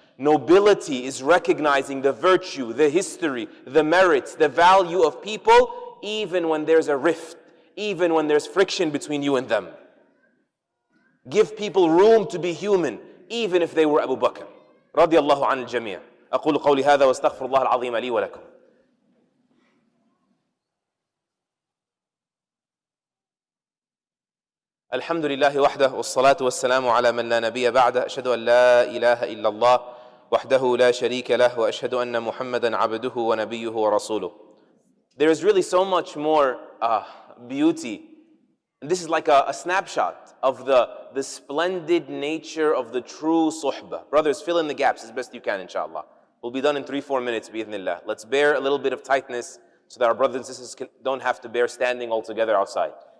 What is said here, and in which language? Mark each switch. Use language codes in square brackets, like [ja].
[en] Nobility is recognizing the virtue, the history, the merits, the value of people, even when there's a rift, even when there's friction between you and them. Give people room to be human, even if they were Abu Bakr. [ar] رضي الله عن الجميع. أقول قولي هذا واستغفر الله العظيم لي ولكم. الحمد لله وحده والصلاة والسلام على من لا نبي بعده. أشهد أن لا إله إلا الله وحده لا شريك له وأشهد أن محمدا عبده ونبيه ورسوله. [en] There is really so much more beauty. This is like a snapshot of the splendid nature of the true suhbah. Brothers, fill in the gaps as best you can, inshallah. We'll be done in 3-4 minutes, bi-ithnillah. Let's bear a little bit of tightness so that our brothers and sisters don't have to bear standing altogether outside.